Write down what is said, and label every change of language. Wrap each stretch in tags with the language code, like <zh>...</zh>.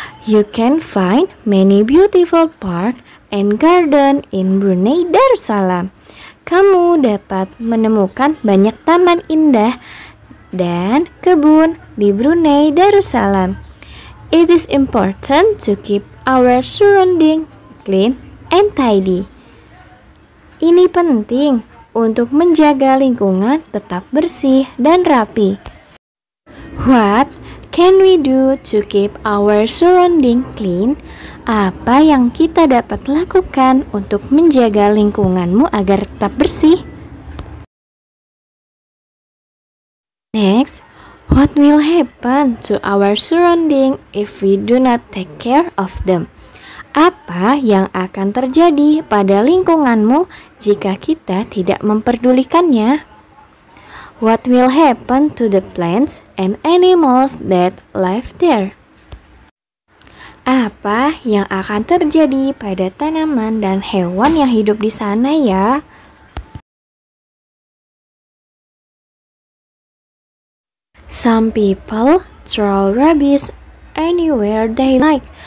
<en>You can find many beautiful park and garden in Brunei Darussalam.</en> <id>Kamu dapat menemukan banyak taman indah dan kebun di Brunei Darussalam.</id> <en>It is important to keep our surrounding clean and tidy.</en> <id>Ini penting untuk menjaga lingkungan tetap bersih dan rapi.</id> <en>What can we do to keep our surrounding clean?</en> <id>Apa yang kita dapat lakukan untuk menjaga lingkunganmu agar tetap bersih?</id> <en>Next, what will happen to our surrounding if we do not take care of them?</en> <id>Apa yang akan terjadi pada lingkunganmu jika kita tidak memperdulikannya?</id> <en>What will happen to the plants and animals that live there?</en> <id>Apa yang akan terjadi pada tanaman dan hewan yang hidup di sana ya?</id> <en>Some people throw rubbish anywhere they like.</en>